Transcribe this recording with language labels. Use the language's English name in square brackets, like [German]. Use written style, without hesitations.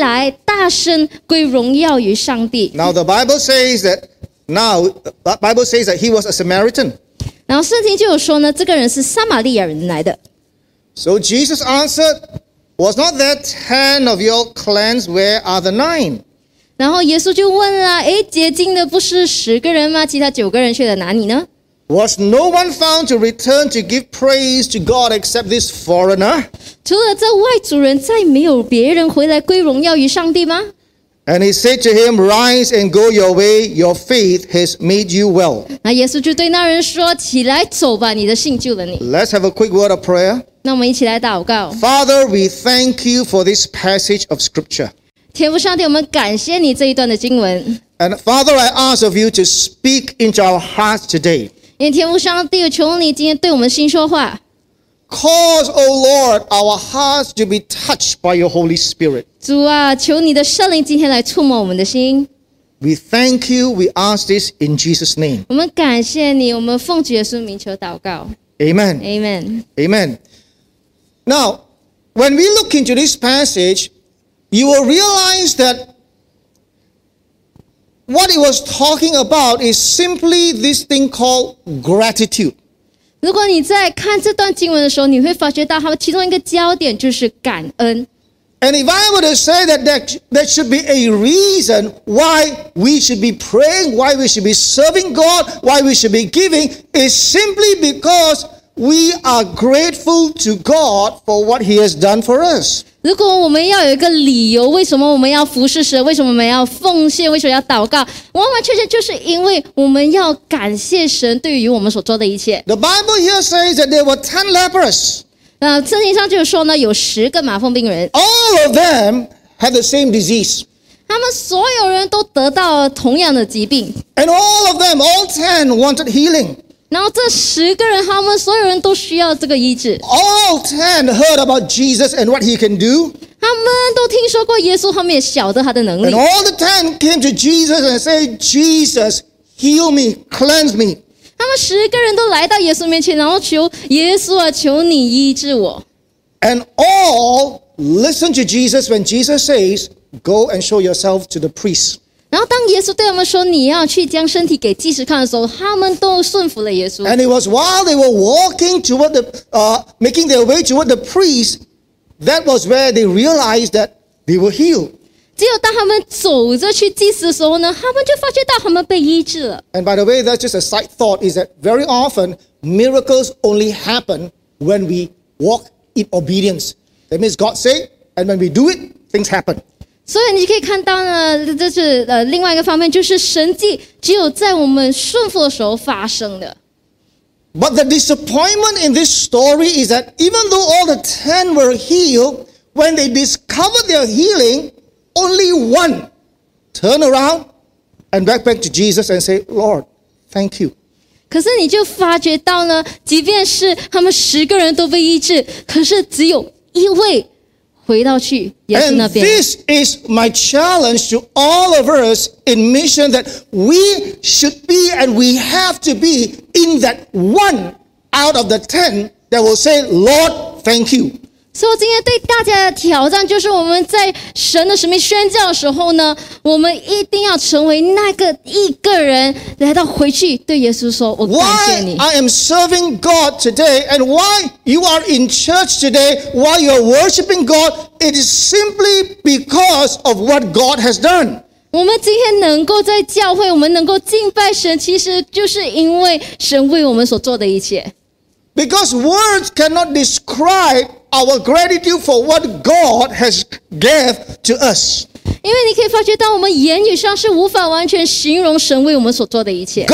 [Chinese] 可是他们这里说到，在第五节那一宗呢，有一个麻风，他就医好了之后呢，他就回来大声归荣耀于上帝。 [English] Now the Bible says that he was a Samaritan. [Chinese] 然后圣经就有说呢，这个人是撒玛利亚人来的。 [English] So Jesus answered, was not that 10 of your cleansed? Where are the 9? [Chinese] 然后耶稣就问了，诶，洁净的不是十个人吗？其他九个人去了哪里呢？ [English] Was no one found to return to give praise to God except this foreigner? [Chinese] 除了这外族人，再没有别人回来归荣耀于上帝吗？ [English] And he said to him, Rise and go your way, your faith has made you well. [Chinese] 那耶稣就对那人说，起来走吧，你的信救了你。 [English] Let's have a quick word of prayer. [Chinese] 那我们一起来祷告。 [English] Father, we thank you for this passage of scripture. [Chinese] 天父上帝，我们感谢你这一段的经文。 [English] And Father, I ask of you to speak into our hearts today. [Chinese] 天父上帝，求你今天对我们心说话。 [English] Cause, O Lord, our hearts to be touched by your Holy Spirit. [Chinese] 主啊，求你的圣灵今天来触摸我们的心。 [English] We thank you. We ask this in Jesus' name. [Chinese] 我们感谢你，我们奉主耶稣名求祷告。 [English] Amen. Amen. Amen. Now, when we look into this passage, you will realize that. What it was talking about is simply this thing called gratitude. [Chinese] 如果你在看这段经文的时候，你会发觉到它其中一个焦点就是感恩。 [English] And if I were to say that there should be a reason why we should be praying, why we should be serving God, why we should be giving, is simply because we are grateful to God for what He has done for us. [Chinese] 如果我们要有一个理由，为什么我们要服侍神？为什么我们要奉献？为什么要祷告？完完全全就是因为我们要感谢神对于我们所做的一切。 [English] The Bible here says that there were 10 lepers. [Chinese] 圣经上就是说呢，有十个麻风病人。 [English] All of them had the same disease. [Chinese] 他们所有人都得到了同样的疾病。 [English] And all of them, all 10 wanted healing. [Chinese] 然后这十个人，他们所有人都需要这个医治。 [English] All 10 heard about Jesus and what he can do. [Chinese] 他们都听说过耶稣，他们也晓得他的能力。 [English] And all the 10 came to Jesus and said, Jesus, heal me, cleanse me. [Chinese] 他们十个人都来到耶稣面前，然后求耶稣啊，求你医治我。 [English] And all listened to Jesus when Jesus says, go and show yourself to the priest. [Chinese] 然后当耶稣对他们说你要去将身体给祭司看的时候，他们都顺服了耶稣。 [English] And it was while they were walking toward the, making their way toward the priest, that was where they realized that they were healed. [Chinese] 只有当他们走着去祭司的时候呢，他们就发觉到他们被医治了。 [English] And by the way, that's just a side thought, is that very often, miracles only happen when we walk in obedience. That means God say, and when we do it, things happen. [Chinese] 所以你可以看到呢，这是另外一个方面，就是神迹只有在我们顺服的时候发生的。 [English] But the disappointment in this story is that even though all the 10 were healed, when they discovered their healing, only one turned around and back to Jesus and said, Lord, thank you. [Chinese] 可是你就发觉到呢，即便是他们十个人都被医治，可是只有一位。回到去耶稣那边。 [English] And this is my challenge to all of us in mission that we should be and we have to be in that one out of the 10 that will say, Lord, thank you. [Chinese] 所以今天对大家的挑战就是我们在神的使命宣教的时候呢，我们一定要成为那个一个人来到回去对耶稣说，我感谢你。 [English] Why I am serving God today and why you are in church today, why you are worshiping God, it is simply because of what God has done. [Chinese] 我们今天能够在教会，我们能够敬拜神，其实就是因为神为我们所做的一切。 [English] Because words cannot describe our gratitude for what God has gave to us. [Chinese] 因为你可以发觉到我们言语上是无法完全形容神为我们所做的一切。